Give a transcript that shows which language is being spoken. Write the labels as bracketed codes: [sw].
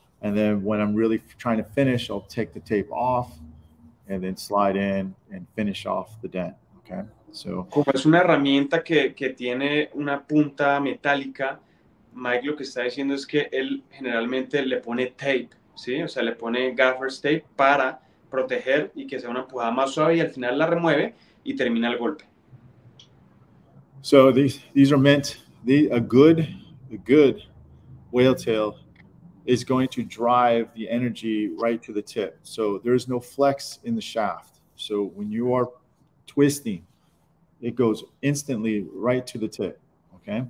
[en] And then when I'm really trying to finish, I'll take the tape off and then slide in and finish off the dent, okay? So. [es] Como es una herramienta que tiene una punta metálica, Mike lo que está diciendo es que él generalmente le pone tape, ¿sí? O sea, le pone gaffer's tape para proteger y que sea una empujada más suave y al final la remueve y termina el golpe. [en] So these are meant, a good whale tail is going to drive the energy right to the tip. So there is no flex in the shaft. So when you are twisting, it goes instantly right to the tip, okay?